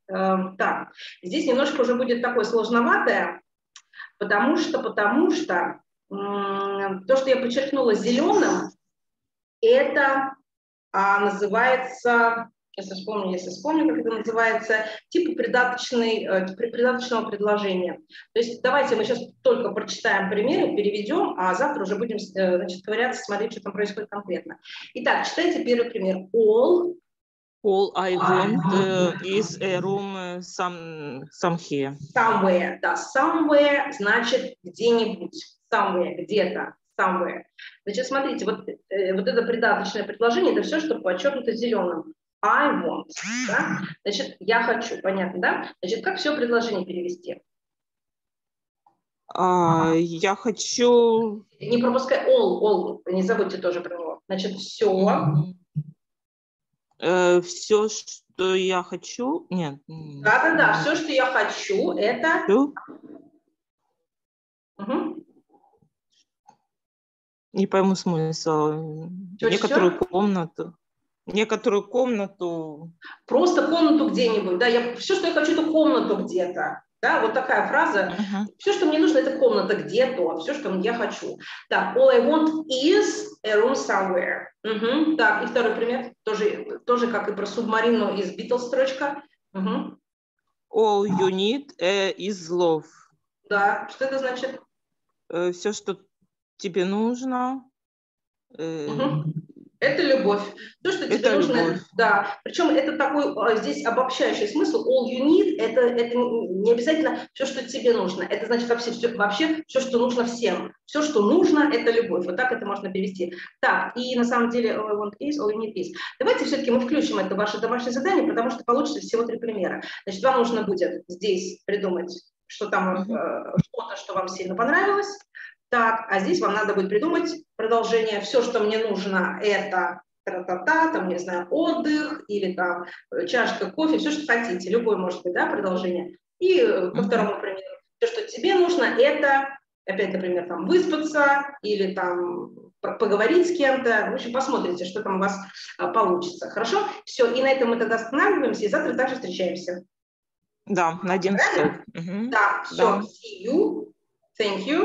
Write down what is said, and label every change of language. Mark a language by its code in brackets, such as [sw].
[ru] Так, здесь немножко уже будет такое сложноватое, потому что то, что я подчеркнула зеленым, это называется, если вспомню, как это называется, тип придаточного предложения. То есть давайте мы сейчас только прочитаем примеры, переведем, а завтра уже будем, значит, ковыряться, смотреть, что там происходит конкретно. Итак, читайте первый пример. [en] All I want is a room some here. Somewhere, [ru] да. Somewhere значит где-нибудь. [en] Somewhere, [ru] где-то. [en] Somewhere. [ru] Значит, смотрите, вот это придаточное предложение, это все, что подчеркнуто зеленым. [en] I want, [ru] да? Значит, я хочу, понятно, да? Значит, как все предложение перевести? Я хочу... Не пропускай all, не забудьте тоже про него. Значит, все. Все, что я хочу, нет. Да-да-да, все, что я хочу, это... Все? Угу. Не пойму смысл. Некоторую комнату. Просто комнату где-нибудь. Да, я все, что я хочу, это комнату где-то. Да, вот такая фраза. Uh-huh. Все, что мне нужно, это комната где-то. Все, что я хочу. Так, [en] all I want is a room somewhere. [ru] Uh-huh. Так, и второй пример. Тоже как и про субмарину из Beatles строчка. [en] Uh-huh. All you need is love. [ru] Да, что это значит? Все, что тебе нужно. Угу. Это любовь. То, что тебе нужно, да. Причем это такой здесь обобщающий смысл. [en] All you need [ru] – это не обязательно все, что тебе нужно. Это значит вообще все, что нужно всем. Все, что нужно – это любовь. Вот так это можно перевести. Так, и на самом деле [en] all I want is, all you need is. [ru] Давайте все-таки мы включим это в ваше домашнее задание, потому что получится всего три примера. Значит, вам нужно будет здесь придумать, что там что-то, что вам сильно понравилось. Так, а здесь вам надо будет придумать продолжение. Все, что мне нужно, это тра-та-та, там, не знаю, отдых или там чашка кофе, все, что хотите. Любое может быть, да, продолжение. И по второму примеру. Все, что тебе нужно, это, опять, например, там, выспаться или там поговорить с кем-то. В общем, посмотрите, что там у вас получится. Хорошо? Все, и на этом мы тогда останавливаемся, и завтра также встречаемся. Да, на один стол. Да, все. [en] See you. Thank you.